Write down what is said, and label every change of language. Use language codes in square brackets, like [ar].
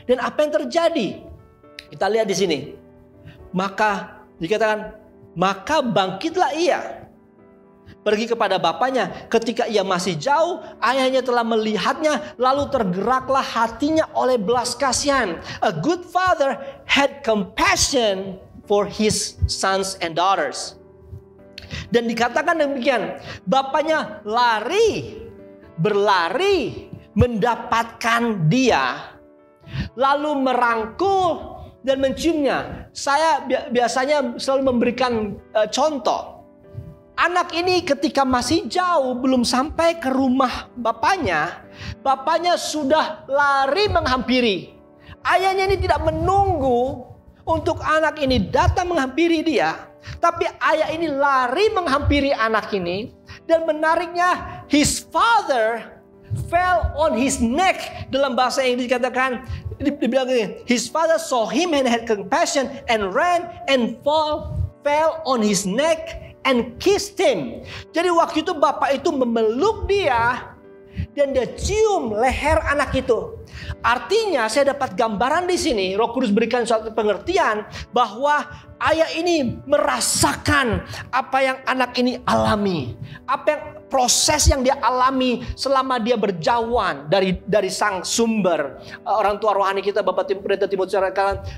[id] Dan apa yang terjadi? Kita lihat di sini. Maka dikatakan, maka bangkitlah ia. pergi kepada bapaknya. Ketika ia masih jauh, ayahnya telah melihatnya, lalu tergeraklah hatinya oleh belas kasihan. [en] A good father had compassion for his sons and daughters. [id] Dan dikatakan demikian, bapaknya lari, berlari mendapatkan dia, lalu merangkul dan menciumnya. Saya biasanya selalu memberikan contoh. Anak ini ketika masih jauh, belum sampai ke rumah bapaknya, bapaknya sudah lari menghampiri. Ayahnya ini tidak menunggu untuk anak ini datang menghampiri dia, tapi ayah ini lari menghampiri anak ini. Dan menariknya, [en] his father fell on his neck. [id] Dalam bahasa yang dikatakan, dibilang gini, [en] his father saw him and had compassion and ran and fell on his neck and kissed him. [id] Jadi waktu itu bapak itu memeluk dia dan dia cium leher anak itu. Artinya saya dapat gambaran di sini, Roh Kudus berikan suatu pengertian bahwa ayah ini merasakan apa yang anak ini alami, apa yang proses yang dia alami selama dia berjauhan dari sang sumber, orang tua rohani kita Bapak Pendeta Timotius Rakalan.